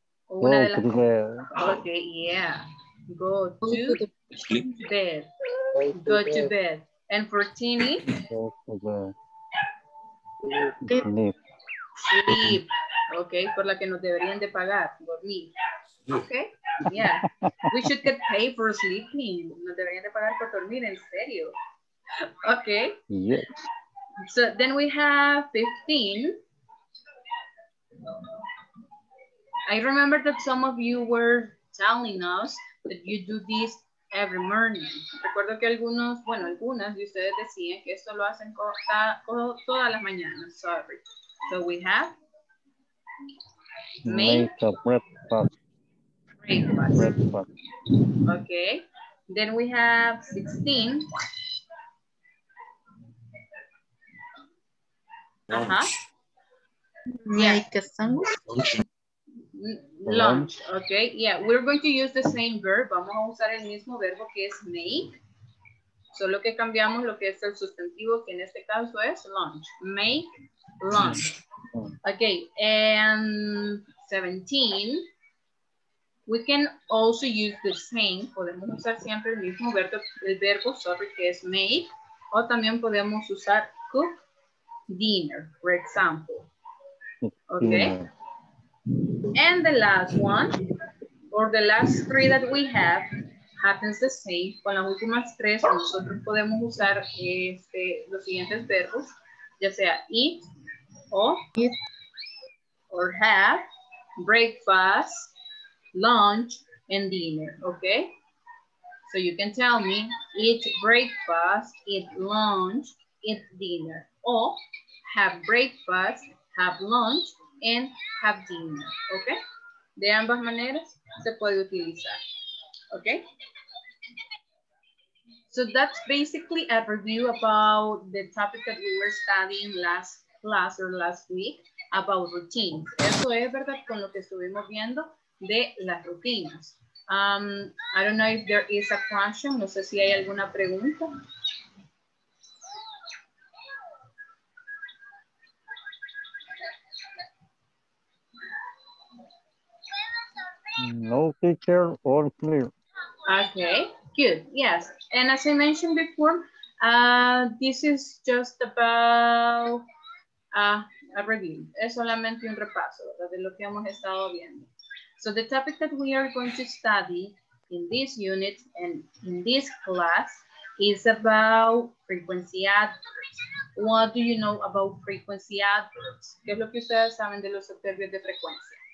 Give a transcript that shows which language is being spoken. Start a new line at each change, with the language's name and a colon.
Spanish: Una de las...
English: Okay, yeah. Go to bed. Go to bed. And 14 is? Sleep. Sleep.
Spanish: Okay, por la que nos deberían de pagar. Dormir.
English: Okay, yeah. We should get paid for sleeping.
Spanish: Nos deberían de pagar por dormir, en serio.
English: Okay. Yes. So then we have 15. I remember that some of you were telling us that you do this every morning.
Spanish: Recuerdo que algunos, bueno, algunas de ustedes decían que esto lo hacen todas las mañanas.
English: Sorry. So we have make breakfast. Okay. Then we have 16. Uh huh. Make a sandwich. Lunch. Okay. Yeah. We're going to use the same verb.
Spanish: Vamos a usar el mismo verbo que es make. Solo que cambiamos lo que es el sustantivo, que en este caso es lunch.
English: Make lunch. Okay. And 17. We can also use the same.
Spanish: Podemos usar siempre el mismo verbo, que es make. O también podemos usar cook dinner, for example.
English: Okay, and the last one, or the last three that we have, happens the same.
Spanish: Con las últimas tres, nosotros podemos usar los siguientes verbos, ya sea eat, or have, breakfast, lunch, and dinner, okay?
English: So you can tell me, eat breakfast, eat lunch, eat dinner, or have breakfast, have lunch, and have dinner, okay?
Spanish: De ambas maneras, se puede utilizar, okay?
English: So that's basically a review about the topic that we were studying last class or last week about routines.
Spanish: Eso es verdad con lo que estuvimos viendo de las rutinas.
English: I don't know if there is a question,
Spanish: no sé si hay alguna pregunta.
English: No teacher, all clear. Okay, good, yes. And as I mentioned before, this is just about a review.
Spanish: Es solamente un repaso de lo que hemos estado viendo.
English: So the topic that we are going to study in this unit and in this class is about frequency adverbs. What do you know about frequency adverbs?
Spanish: ¿Qué es lo que ustedes saben de los adverbios de frecuencia?